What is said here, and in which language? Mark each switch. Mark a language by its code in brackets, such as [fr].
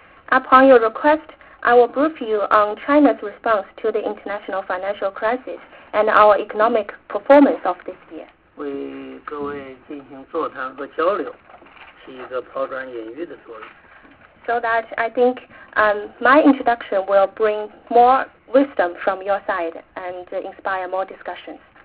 [en] Upon your request, I will brief you on China's response to the international financial crisis and our economic performance of this year. [zh] 为各位进行座谈和交流，起一个抛砖引玉的作用。 [en] So that I think my introduction will bring more wisdom from your side and inspire more discussions.